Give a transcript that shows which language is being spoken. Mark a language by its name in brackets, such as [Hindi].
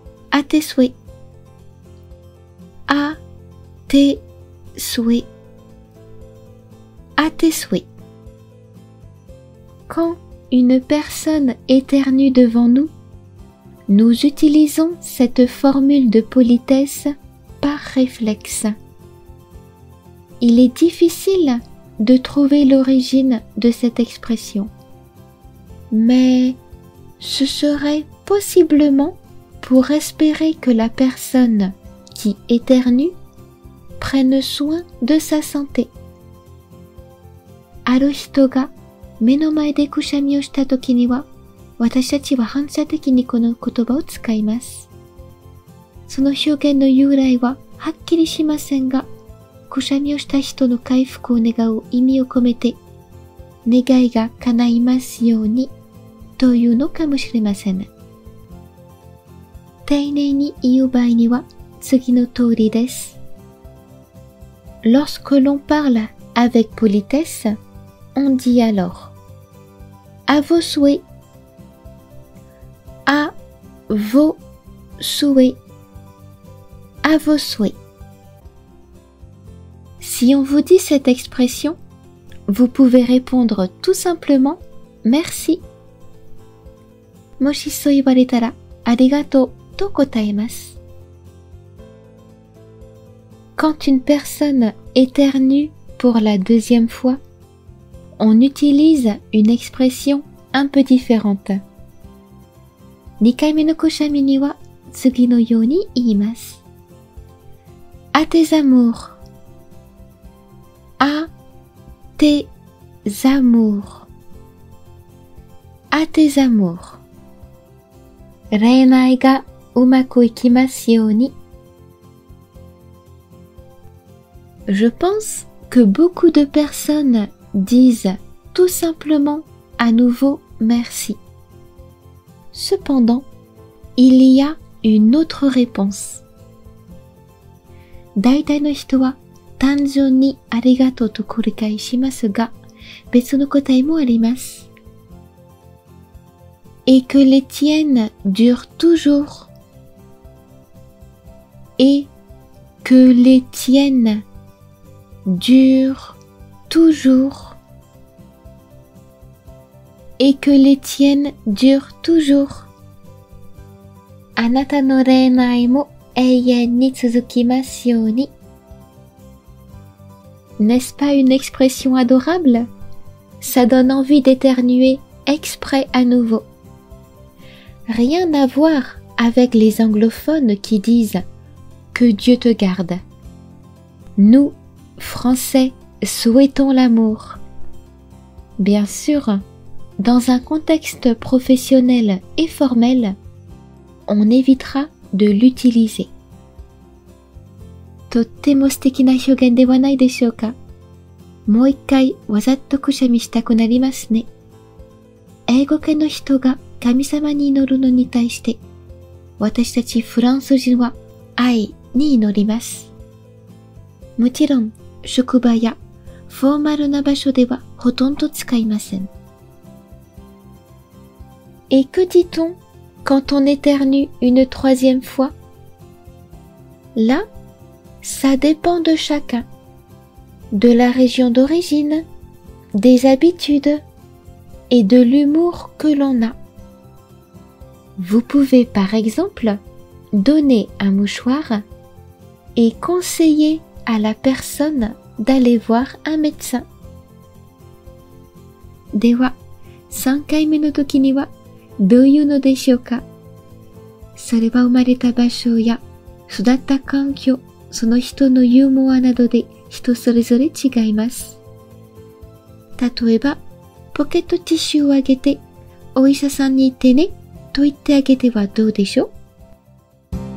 [French] あてすえ、あ、て、すえ、あてすえ。 Quand une personne éternue devant nous, nous utilisons cette formule de politesse par réflexe. Il est difficile de trouver l'origine de cette expression. Mais ce serait possiblement pour espérer que la personne qui éternue prenne soin de sa santé. [Japanese] ある人が目の前でくしゃみをしたときには、私たちは反射的にこの言葉を使います。その表現の由来ははっきりしませんが、くしゃみをした人の回復を願う意味を込めて、願いが叶いますようにというのかもしれません。丁寧に言う場合には次の通りです。 [French] Lorsque l'on parle avec politesse, on dit alors à vos souhaits, à vos souhaits, à vos souhaits. Si on vous dit cette expression, vous pouvez répondre tout simplement merci. [Japanese] もしそう言われたらありがとうと答えます。 [French] Quand une personne éternue pour la deuxième fois, on utilise une expression un peu différente. [Japanese] 2回目のくしゃみには次のように言います。 [French] À tes amours. À tes amours. À tes amours. [Japanese] 恋愛がうまくいきますように。 [French] Je pense que beaucoup de personnes disent tout simplement à nouveau merci. Cependant, il y a une autre réponse. [Japanese] 大体の人は単純にありがとうと繰り返しますが、別の答えもあります。 [French] Et que les tiennes durent toujours. Et que les tiennes. Dure toujours. Et que les tiennes durent toujours. [Japanese] あなたの恋愛も永遠に続きますように。 [French] N'est-ce pas une expression adorable? Ça donne envie d'éternuer exprès à nouveau. Rien à voir avec les anglophones qui disent que Dieu te garde. Nous,Français, souhaitons l'amour. Bien sûr, dans un contexte professionnel et formel, on évitera de l'utiliser. [Japanese] とっても素敵な表現ではないでしょうか。もう一回わざっとくしゃみしたくなりますね。英語系の人が神様に祈るのに対して、私たちフランス人は愛に祈ります。もちろん、職場やフォーマルな場所ではほとんど使いません。 [French] Et que dit-on quand on éternue une troisième fois? Là, ça dépend de chacun. De la région d'origine, des habitudes et de l'humour que l'on a. Vous pouvez par exemple donner un mouchoir et conseiller à la personne d'aller voir un médecin. [Japanese] では、3回目の時にはどういうのでしょうか？それは生まれた場所や育った環境、その人のユーモアなどで人それぞれ違います。例えば、ポケットティッシュをあげてお医者さんに行ってねと言ってあげてはどうでしょう？